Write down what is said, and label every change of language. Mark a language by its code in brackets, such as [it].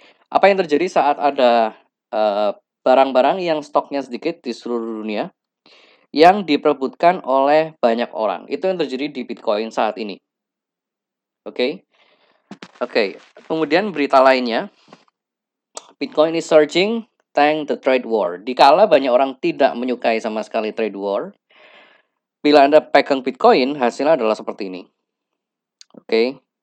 [id] Apa yang terjadi saat ada barang-barang yang stoknya sedikit di seluruh dunia yang diperebutkan oleh banyak orang? Itu yang terjadi di Bitcoin saat ini. Oke? Kemudian berita lainnya. [en] Bitcoin is surging thanks the trade war. [id] Dikala banyak orang tidak menyukai sama sekali trade war, bila Anda pegang Bitcoin, hasilnya adalah seperti ini. Oke?